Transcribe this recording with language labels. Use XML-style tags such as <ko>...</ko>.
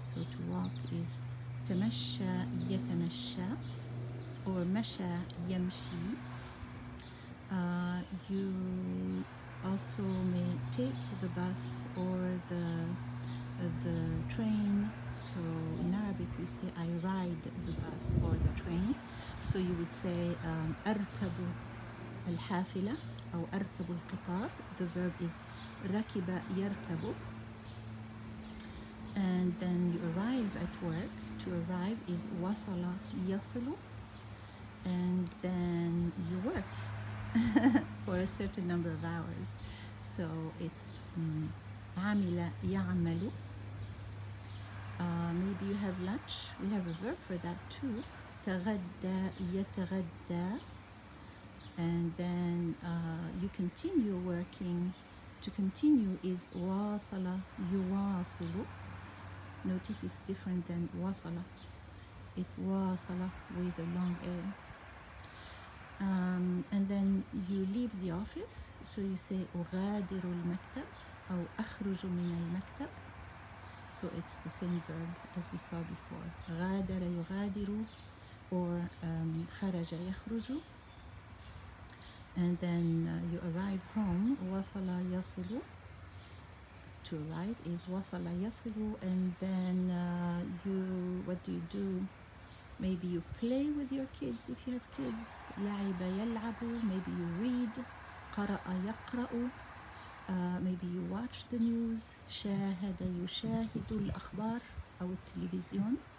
<en>So to walk is</en> <ar>تمشى يتمشى,</ar> <en>or</en> <ar>مشى يمشي.</ar> <en>You also may take the bus or the train. So in Arabic we say I ride the bus or the train.</en> <ar>So you would say أركب الحافلة أو أركب القطار.</ar> <en>The verb is</en> <ar>ركب يركب.</ar> <en>And then you arrive at work. To arrive is</en> <ar>وصل يصل.</ar> <en>And then you work for a certain number of hours. So it's</en> <ar>عمل يعمل.</ar> <en>Maybe you have lunch. We have a verb for that too.</en> <ar>تغدى يتغدى.</ar> <en>And then you continue working. To continue is</en> <ar>واصل يواصل.</ar> <en>Notice it's different than wasala. It's wasala with a long A. And then you leave the office.</en> <ar>So you say أغادر المكتب أو أخرج من المكتب.</ar> <en>So it's the same verb as we saw before.</en> <ar>غادر يغادر or خرج يخرج.</ar> <en>And then you arrive home.</en> <ar>وصل يصل.</ar> <en>To arrive is</en> <ar>wasala yasibu.</ar> <en>And then what do you do? Maybe you play with your kids if you have kids.</en> <ar>Laiba yalabu.</ar> <en>Maybe you read</en> <ar>قرأ يقرأ.</ar> <en>Maybe you watch the news.</en> <ar>شاهد يشاهد الأخبار أو التلفزيون.</ar>